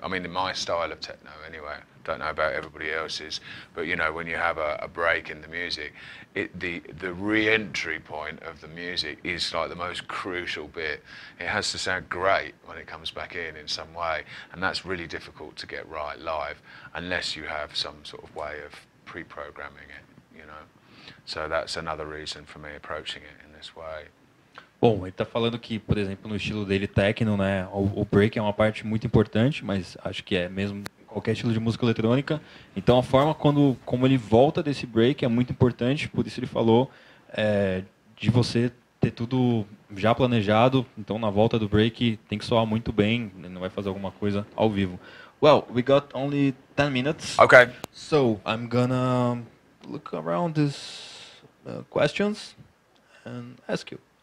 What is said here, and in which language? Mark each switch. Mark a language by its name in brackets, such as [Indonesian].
[English] I mean, in my style of techno anyway, don't know about everybody else's, but you know, when you have a break in the music, the re-entry point of the music is like the most crucial bit. It has to sound great when it comes back in some way, and that's really difficult to get right live unless you have some sort of way of pre-programming it, you know. So that's another reason for me approaching it in this way. [Portuguese] Bom, ele tá falando que, por exemplo, no estilo dele, techno, né, o break é uma parte muito importante, mas acho que é mesmo qualquer estilo de música eletrônica. Então a forma como ele volta desse break é muito importante, por isso ele falou de você ter tudo já planejado. Então na volta do break tem que soar muito bem, ele não vai fazer alguma coisa ao vivo. [English] Well, we got only 10 minutes. Okay. So, I'm gonna look around this questions and ask you.